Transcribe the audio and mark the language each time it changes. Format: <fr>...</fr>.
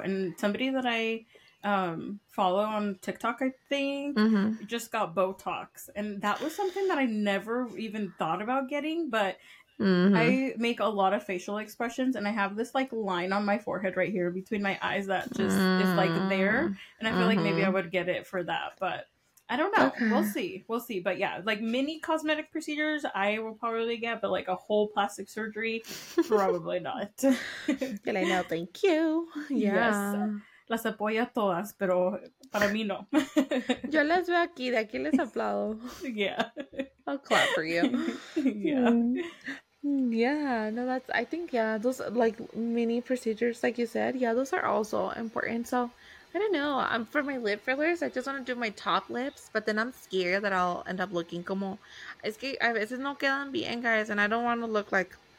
<en>And somebody that I follow on TikTok, I think, just got Botox, and that was something that I never even thought about getting, but I make a lot of facial expressions, and I have this like line on my forehead right here between my eyes that just is like there, and I feel like maybe I would get it for that, but I don't know. Okay. We'll see. But yeah, like mini cosmetic procedures I will probably get, but like a whole plastic surgery probably not. Can I know? Thank you. Yes.</en> <es>Las apoyo a todas, pero para mí no. Yo las veo aquí, de aquí les aplaudo.</es> <en>Yeah. I'll clap for you. Yeah, no, that's, I think, yeah, those, like, mini procedures, like you said, yeah, those are also important. So, I don't know, for my lip fillers, I just want to do my top lips, but then I'm scared that I'll end up looking</en> <es>como, es que a veces no quedan bien,</es> <en>guys, and I don't want to look like,</en>